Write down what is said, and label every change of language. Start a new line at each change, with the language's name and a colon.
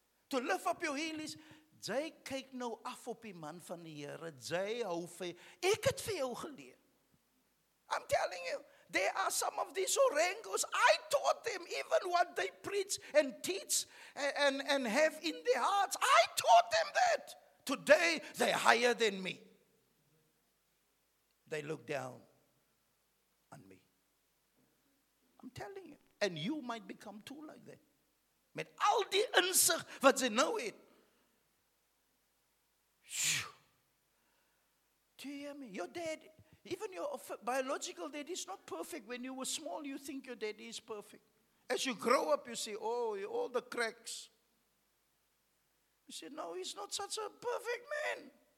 English: To lift up your heel is,
Afrikaans: jy kyk nou af op die man van die Here, jy hou vir, ek het vir jou geleer.
English: I'm telling you, there are some of these orangos, I taught them even what they preach and teach and have in their hearts. I taught them that. Today, they're higher than me. They look down on me. I'm telling you. And you might become too like that.
Afrikaans: Met al die insig wat jy nou het.
English: Do you hear me? Your dad, even your biological dad is not perfect. When you were small, you think your daddy is perfect. As you grow up, you see, oh, all the cracks. You say, no, he's not such a perfect man.